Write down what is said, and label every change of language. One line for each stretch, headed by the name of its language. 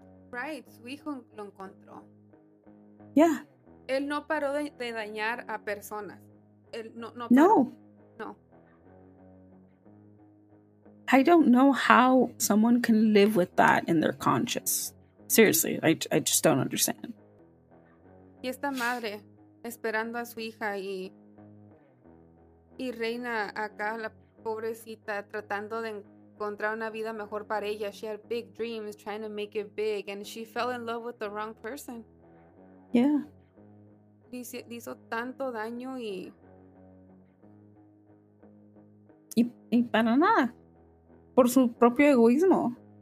English: Right.
Spanish: Su hijo lo encontró.
English: Yeah.
Spanish: Él no paró de dañar a personas. Él no paró. No. No.
English: I don't know how someone can live with that in their conscience. Seriously. I just don't understand.
Spanish: Y esta madre esperando a su hija y Reyna acá la pobrecita tratando de encontrar una vida mejor para ella.
English: She had big dreams trying to make it big and she fell in love with the wrong person. Yeah.
Spanish: Le hizo tanto daño y... Y para nada. Por su propio egoísmo.